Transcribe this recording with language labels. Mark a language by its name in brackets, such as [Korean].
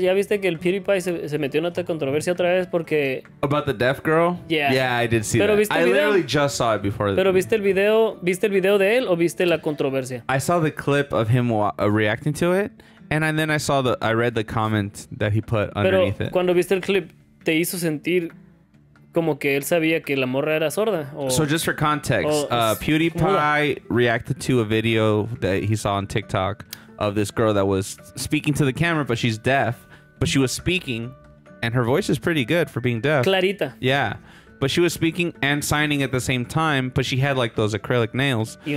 [Spanish] Ya viste que el PewDiePie se metió en otra controversia otra vez porque. [English] About the deaf girl. Yeah, I did see that. I literally just saw it before. [Spanish] Pero viste el video? Viste el video de él o viste la controversia? [English] I saw the clip of him reacting to it. And then I saw I read the comment that he put underneath it. [Spanish] Pero cuando viste el clip, te hizo sentir como que él sabía que la morra era sorda. [English] So just for context, PewDiePie reacted to a video that he saw on TikTok of this girl that was speaking to the camera, but she's deaf. But she was speaking, and her voice is pretty good for being deaf. [Spanish] Clarita. [English] Yeah. But she was speaking and signing at the same time, but she had like those acrylic nails.